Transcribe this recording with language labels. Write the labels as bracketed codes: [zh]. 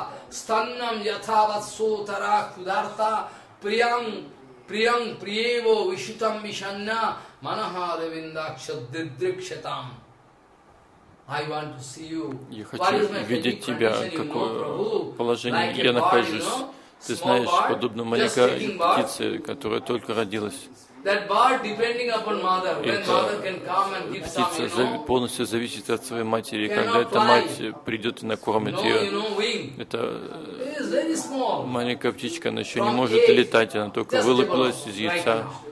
[sa] Станнам ятават сутара кударта приям приям приево вишитам вишанна манаха ревиндакшаддидрикшатам. [en] I want to see you. [ru] Я хочу видеть тебя, какое положение я нахожусь. Ты знаешь, подобно маленькой птице, которая только родилась. [en] That bird depending upon mother. When mother can come and give some, you know. [ru] Полностью зависит от своей матери, когда эта мать придет и накормит ее. Это маленькая птичка, она еще не может летать, она только вылупилась из яйца.